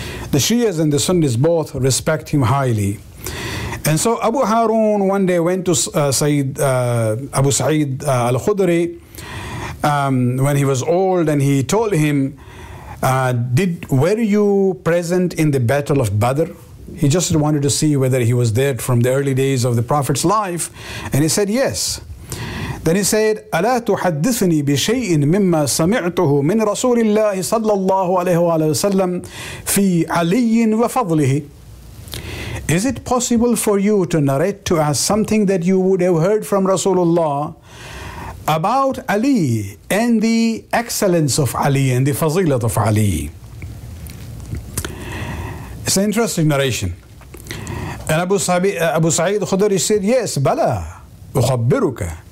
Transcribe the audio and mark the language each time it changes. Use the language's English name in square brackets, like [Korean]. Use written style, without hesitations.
[English] The Shias and the Sunnis both respect him highly. And so Abu Harun one day went to Abu Sa'id al-Khudri when he was old, and he told him, were you present in the Battle of Badr? He just wanted to see whether he was there from the early days of the Prophet's life. And he said, yes. Then he said, [Arabic] أَلَا تُحَدِّثْنِي بِشَيْءٍ مِمَّا سَمِعْتُهُ مِنْ رَسُولِ اللَّهِ صَلَّى اللَّهُ عَلَيْهُ وَسَلَّمْ فِي عَلِيٍّ وَفَضْلِهِ. [English] Is it possible for you to narrate to us something that you would have heard from Rasulullah about Ali and the excellence of Ali and the fazilat of Ali? It's an interesting narration. And Abu Sa'id Khudri said, yes, [Arabic] bala, ukhabbiruka.